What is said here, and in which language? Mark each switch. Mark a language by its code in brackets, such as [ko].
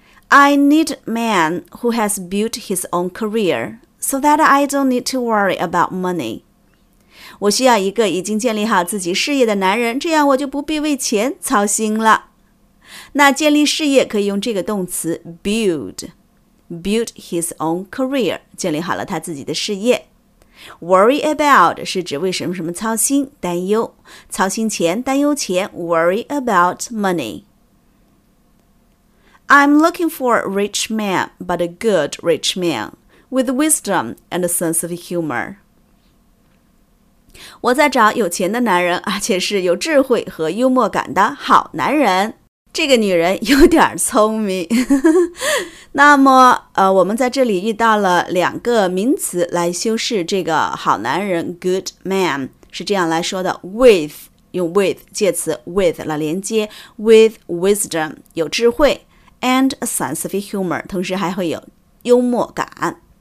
[en] I need a man who has built his own career so that I don't need to worry about money. [zh] 我需要一个已经建立好自己事业的男人，这样我就不必为钱操心了。那建立事业可以用这个动词 build [en] built his own career, [zh] 建立好了他自己的事业。 Worry about 是指为什么什么操心、担忧。操心钱、担忧钱 , [en] worry about money. I'm looking for a rich man, but a good rich man, with wisdom and a sense of humor. [zh] 我在找有钱的男人，而且是有智慧和幽默感的好男人。这个女人有点聪明。那么我们在这里遇到了两个名词来修饰这个好男人 good man, 是这样来说的 with, 用 with 介词 with 来连接 [en] with wisdom, [zh] 有智慧 [en] and a sense of humor, [zh] 同时还会有幽默感。